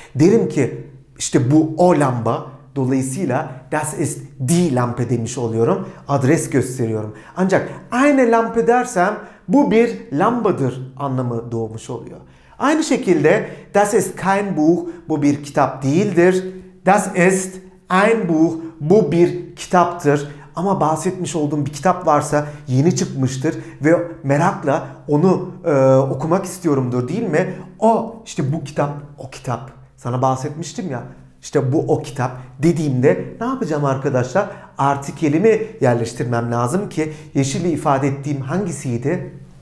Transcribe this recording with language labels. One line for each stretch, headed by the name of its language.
Turkish: Derim ki işte bu o lamba. Dolayısıyla
German: das ist die Lampe
Turkish: demiş oluyorum. Adres gösteriyorum. Ancak eine Lampe dersem bu bir lambadır anlamı doğmuş oluyor. Aynı şekilde
German: das ist kein Buch,
Turkish: bu bir kitap değildir.
German: Das ist ein Buch,
Turkish: bu bir kitaptır. Ama bahsetmiş olduğum bir kitap varsa yeni çıkmıştır ve merakla onu okumak istiyorumdur değil mi? O işte bu kitap, o kitap. Sana bahsetmiştim ya. İşte bu o kitap dediğimde ne yapacağım arkadaşlar? Artikelimi yerleştirmem lazım ki yeşille ifade ettiğim hangisiydi?